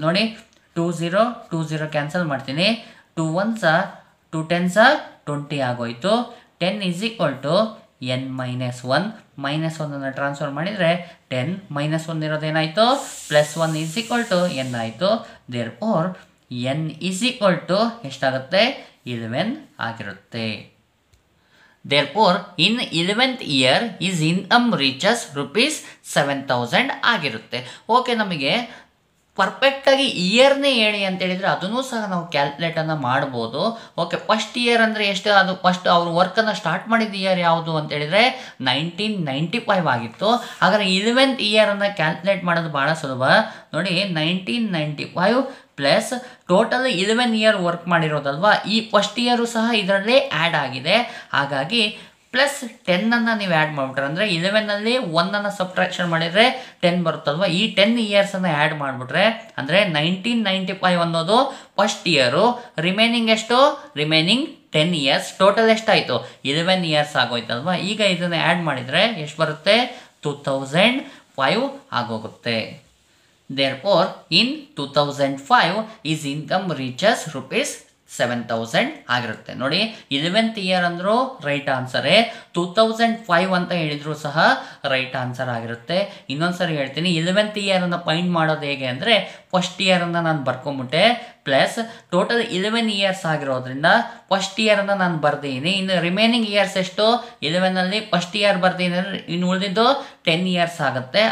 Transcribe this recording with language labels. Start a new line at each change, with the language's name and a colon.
Kannada: ನೋಡಿ, 2 0 ಕ್ಯಾನ್ಸಲ್ ಮಾಡ್ತೀನಿ, 2 1 2 10 20 ಆಗೋಯ್ತು. 10 is equal to N minus one, minus ಒನ್ನನ್ನು transfer ಮಾಡಿದರೆ 10 minus one ಇರೋದೇನಾಯಿತು, plus 1 is equal to N ಆಯಿತು.
English: therefore N is equal to
Kannada: ಎಷ್ಟಾಗುತ್ತೆ, 11 ಆಗಿರುತ್ತೆ.
English: Therefore, in 11th year, his income reaches rupees 7000
Kannada: ಆಗಿರುತ್ತೆ. Okay, ನಮಗೆ ಪರ್ಫೆಕ್ಟಾಗಿ ಇಯರ್ನೇ ಹೇಳಿ ಅಂತ ಹೇಳಿದರೆ ಅದನ್ನೂ ಸಹ ನಾವು ಕ್ಯಾಲ್ಕುಲೇಟನ್ನು ಮಾಡ್ಬೋದು. ಓಕೆ, ಫಸ್ಟ್ ಇಯರ್ ಅಂದರೆ ಎಷ್ಟು? ಅದು ಫಸ್ಟ್ ಅವರು ವರ್ಕನ್ನು ಸ್ಟಾರ್ಟ್ ಮಾಡಿದ ಇಯರ್ ಯಾವುದು ಅಂತ ಹೇಳಿದರೆ 1995 ಆಗಿತ್ತು. ಹಾಗಾದರೆ 11th ಇಯರನ್ನು ಕ್ಯಾಲ್ಕುಲೇಟ್ ಮಾಡೋದು ಭಾಳ ಸುಲಭ ನೋಡಿ. 1995 ಪ್ಲಸ್ ಟೋಟಲ್ 11 ಇಯರ್ ವರ್ಕ್ ಮಾಡಿರೋದಲ್ವಾ, ಈ ಫಸ್ಟ್ ಇಯರು ಸಹ ಇದರಲ್ಲೇ ಆ್ಯಡ್ ಆಗಿದೆ. ಹಾಗಾಗಿ ಪ್ಲಸ್ 10 ನೀವು ಆ್ಯಡ್ ಮಾಡಿಬಿಟ್ರೆ ಅಂದರೆ 11 ಒಂದನ್ನು ಸಬ್ಟ್ರಾಕ್ಷನ್ ಮಾಡಿದರೆ 10 ಬರುತ್ತಲ್ವಾ, ಈ 10 ಇಯರ್ಸನ್ನು ಆ್ಯಡ್ ಮಾಡಿಬಿಟ್ರೆ ಅಂದರೆ 1995 ಅನ್ನೋದು ಫಸ್ಟ್ ಇಯರು, ರಿಮೈನಿಂಗ್ ಎಷ್ಟು, ರಿಮೈನಿಂಗ್ 10 ಇಯರ್ಸ್, ಟೋಟಲ್ ಎಷ್ಟಾಯಿತು, 11 ಇಯರ್ಸ್ ಆಗೋಯ್ತಲ್ವಾ. ಈಗ ಇದನ್ನು ಆ್ಯಡ್ ಮಾಡಿದರೆ ಎಷ್ಟು ಬರುತ್ತೆ, 2005 ಆಗೋಗುತ್ತೆ.
English: Therefore, in 2005, his income reaches rupees 7000
Kannada: ಆಗಿರುತ್ತೆ. ನೋಡಿ, 11th ಇಯರ್ ಅಂದರೂ ರೈಟ್ ಆನ್ಸರೇ, 2005 ಅಂತ ಹೇಳಿದರೂ ಸಹ ರೈಟ್ ಆನ್ಸರ್ ಆಗಿರುತ್ತೆ. ಇನ್ನೊಂದ್ಸರಿ ಹೇಳ್ತೀನಿ, 11th ಇಯರನ್ನು ಫೈಂಡ್ ಮಾಡೋದು ಹೇಗೆ ಅಂದರೆ, ಫಸ್ಟ್ ಇಯರನ್ನು ನಾನು ಬರ್ಕೊಂಬಿಟ್ಟೆ ಪ್ಲಸ್ ಟೋಟಲ್ 11 ಇಯರ್ಸ್ ಆಗಿರೋದ್ರಿಂದ ಫಸ್ಟ್ ಇಯರನ್ನು ನಾನು ಬರ್ದೀನಿ, ಇನ್ನು ರಿಮೈನಿಂಗ್ ಇಯರ್ಸ್ ಎಷ್ಟು, 11 ಫಸ್ಟ್ ಇಯರ್ ಬರ್ದೀನಿ ಅಂದರೆ ಇನ್ನು ಉಳಿದಿದ್ದು 10 ಇಯರ್ಸ್ ಆಗುತ್ತೆ.